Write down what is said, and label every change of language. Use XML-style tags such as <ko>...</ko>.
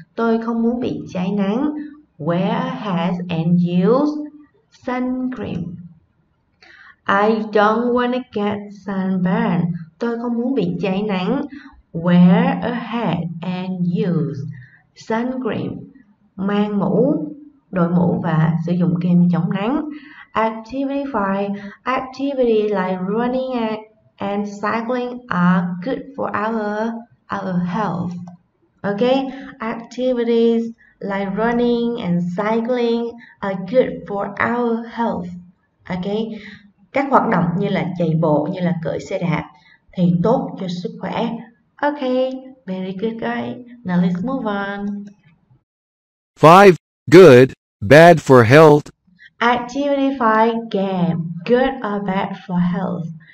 <vi>Tôi không muốn bị cháy nắng.</vi> <en>Wear a hat and use sun cream. I don't wanna get sunburned.</en> <vi>Tôi không muốn bị cháy nắng.</vi> <en>Wear a hat and use sun cream.</en> <vi>Mang mũ, đội mũ và sử dụng kem chống nắng.</vi> <en>Activity 5. Activity like running and cycling are good for our health. Okay? Activities like running and cycling are good for our health. Okay?</en> <vi>Các hoạt động như là chạy bộ, như là cưỡi xe đạp thì tốt cho sức khỏe.</vi> <en>Okay, very good guy. Now let's move on. 5. Good, bad for health. Activity 5. Game. Good or bad for health.</en>